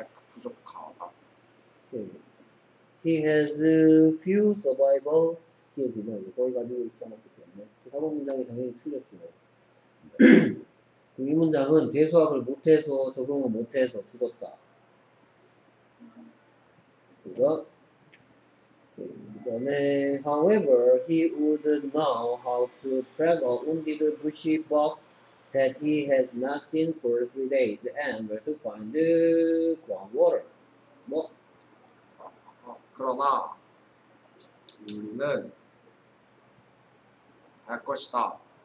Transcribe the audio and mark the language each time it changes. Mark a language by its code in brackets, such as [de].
[ko] 부족하다. [en] He has few survival skills. [ko] 거의 가지고 있잖아. 4번 문장이 당연히 틀렸죠. 이 문장은 대수학을 못해서 적응을 못해서 죽었다. 그 다음에 [en] However, he would know how to track a wounded bushy buck that he had not seen for 3 days and where to find ground water. [ko] 뭐? 그러나 우리는 할 것이다.